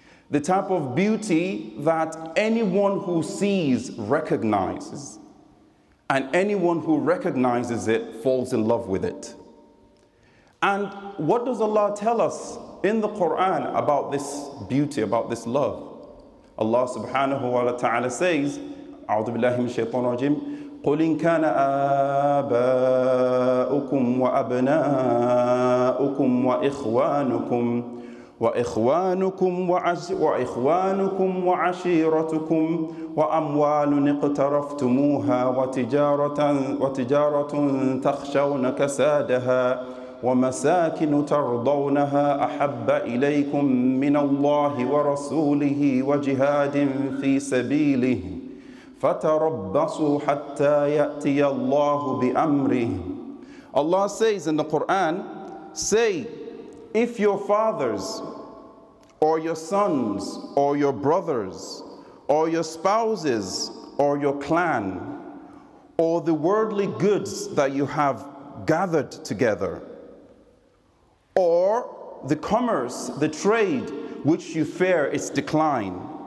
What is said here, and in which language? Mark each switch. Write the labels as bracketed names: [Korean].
[English] The type of beauty that anyone who sees recognizes, and anyone who recognizes it falls in love with it. And what does Allah tell us in the Quran about this beauty, about this love? Allah subhanahu wa ta'ala says, [Arabic] أعوذ بالله من الشيطان الرجيم قل إن كان آباؤكم وأبناؤكم وإخوانكم وإخوانكم وإخوانكم وعشيرتكم وأموال اقترفتموها وتجارة تخشون كسادها ومساكن ترضونها أحب إليكم من الله ورسوله وجهاد في سبيله فتربصوا حتى يأتي الله بأمره. [English] Allah says in the Quran, say, if your fathers or your sons, or your brothers, or your spouses, or your clan, or the worldly goods that you have gathered together, or the commerce, the trade, which you fear its decline,